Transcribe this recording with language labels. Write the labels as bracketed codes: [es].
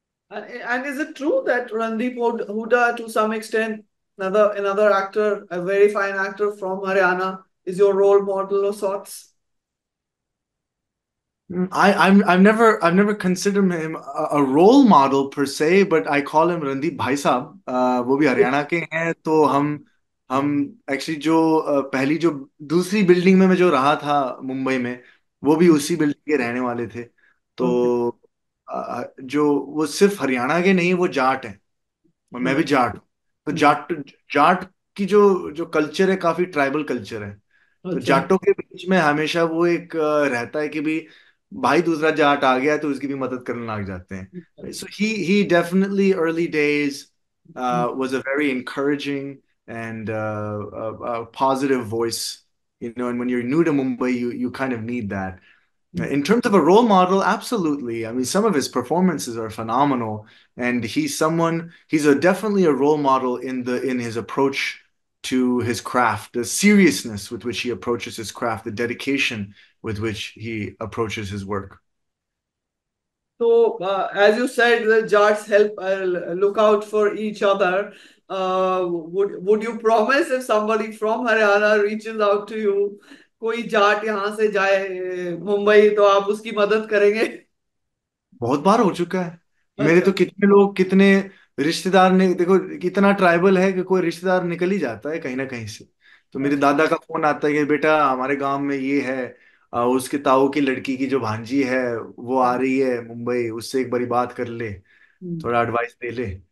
[en] And is it true that Randeep Hooda, to some extent, another actor, a very fine actor from Haryana, is your role model of sorts? I've never considered him a role model per se, but I call him Randeep Bhai Saab. [hi] वो भी हरियाणा के हैं तो हम actually जो पहली जो दूसरी बिल्डिंग में मैं जो रहा था मुंबई में वो भी उसी बिल्डिंग के रहने वाले थे. तो जो वो सिर्फ हरियाणा के नहीं, वो जाट हैं और मैं भी जाट हूँ. तो जाट जाट की जो जो कल्चर है काफी ट्राइबल कल्चर है. तो जाटों के बीच में हमेशा वो एक रहता है कि भी भाई दूसरा जाट आ गया तो उसकी भी मदद करने लग जाते हैं. [en] So he definitely early days was a very encouraging and positive voice, you know. And when you new to Mumbai, you you kind of need that. In terms of a role model, absolutely. I mean, some of his performances are phenomenal and he someone, he is definitely a role model in the in his approach to his craft, the seriousness with which he approaches his craft, the dedication with which he approaches his work. So, as you said, the jats help look out for each other. Would you promise if somebody from Haryana reaches out to you, [hi] कोई जाट यहाँ से जाए मुंबई तो आप उसकी मदद करेंगे? बहुत बार हो चुका है मेरे तो. अच्छा कितने लोग, कितने रिश्तेदार ने देखो, कितना ट्राइबल है कि कोई रिश्तेदार निकल ही जाता है कहीं ना कहीं से. तो मेरे अच्छा दादा का फोन आता है कि बेटा हमारे गांव में ये है, उसके ताऊ की लड़की की जो भांजी है वो आ रही है मुंबई, उससे एक बारी बात कर ले, थोड़ा एडवाइस दे ले.